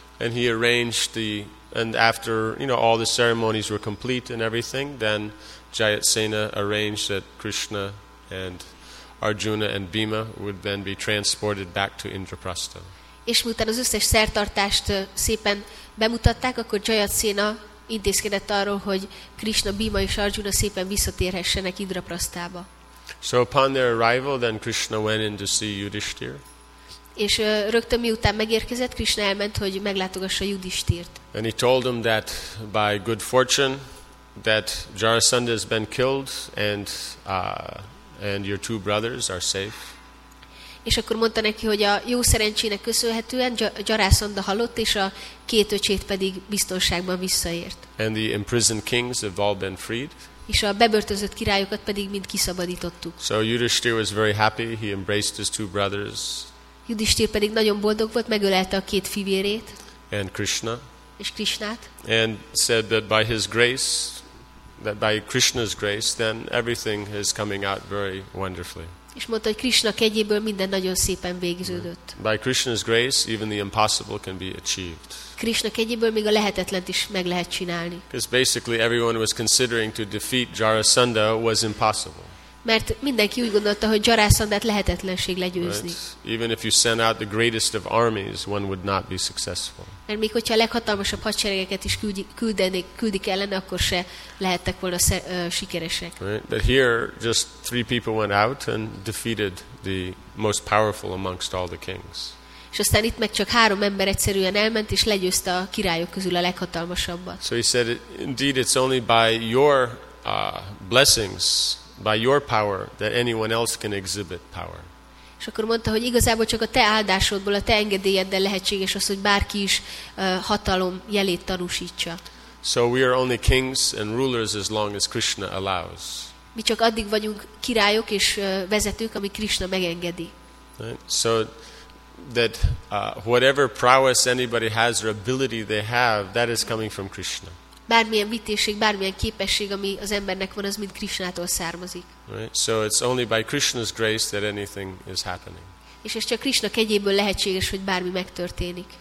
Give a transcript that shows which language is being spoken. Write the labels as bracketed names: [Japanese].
[English] And he arranged the and after, you know, all the ceremonies were complete and everything, then Jayatsena arranged that Krishna and Arjuna and Bhima would then be transported back to Indraprastha. [Hungarian] És miután az összes szertartást szépen bemutatták, akkor Jayatsena intézkedett arról, hogy Krishna, Bhima és Arjuna szépen visszatérhessenek Indraprasthába. [English] So upon their arrival, then Krishna went in to see Yudhishthira. [Hungarian] És rögtön miután megérkezett, Krishna elment, hogy meglátogassa Yudhishthirt. [English] And he told him that by good fortune that Jarasandha has been killed and your two brothers are safe. [Hungarian] És akkor mondta neki, hogy a jó szerencsének köszönhetően Jarasandha halott, és a két öcsét pedig biztonságban visszaért. [English] And the imprisoned kings have all been freed. [Hungarian] És a bebörtözött királyokat pedig mind kiszabadítottuk. [English] So Yudhishthira was very happy. He embraced his two brothers. [Hungarian] Yudhishthira pedig nagyon boldog volt, megölelte a két fivérét. [English] And Krishna. [Hungarian] És Krishnát. [English] And said that by his grace, that by Krishna's grace, then everything is coming out very wonderfully. [Hungarian] És mondta, hogy Krishna kegyéből minden nagyon szépen végződött. [English] By Krishna's grace, even the impossible can be achieved. [Hungarian] Krishna kegyéből még a lehetetlent is meg lehet csinálni. [English] Because basically everyone was considering to defeat Jarasandha was impossible. [Hungarian] Mert mindenki úgy gondolta, hogy Jarasandát lehetetlenség legyőzni. [English] Right. Even if you send out the greatest of armies, one would not be successful. [Hungarian] Mert még hogyha a leghatalmasabb hadseregeket is küldik ellene, akkor se lehettek volna sikeresek. [English] Right. But here, just three people went out and defeated the most powerful amongst all the kings. [Hungarian] És aztán itt meg csak három ember egyszerűen elment és legyőzte a királyok közül a leghatalmasabbat. [English] So he said, indeed, it's only by your blessings, by your power that anyone else can exhibit power. [Hungarian] És akkor mondta, hogy igazából csak a te áldásodból, a te engedélyeddel lehetséges az, hogy bárki is hatalom jelét tanúsítsa. [English] So we are only kings and rulers as long as Krishna allows. [Hungarian] Mi csak addig vagyunk királyok és vezetők, amíg Krishna megengedi. [English] Right? So that whatever prowess anybody has or ability they have, that is coming from Krishna. [Hungarian] Bármilyen vitéség, bármilyen képesség, ami az embernek van, az mind Krishnától származik. [English] Right? So it's only by Krishna's grace that anything is happening. [Hungarian] És ez csak Krishna kegyéből lehetséges, hogy bármi megtörténik.